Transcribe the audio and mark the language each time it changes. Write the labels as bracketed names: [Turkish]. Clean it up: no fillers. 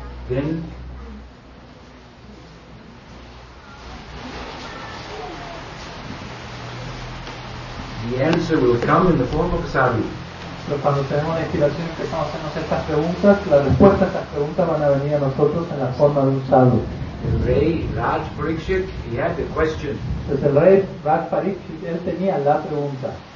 [English] Then, the answer will come in the form of a sabi. [Spanish] Pero cuando tenemos la inspiración y empezamos a hacernos estas preguntas, la respuesta a estas preguntas van a venir a nosotros en la forma de un sadhu. El rey [English] Raj Parikshit, he had the question. [Spanish] Entonces el rey Raj Parikshit, él tenía la pregunta.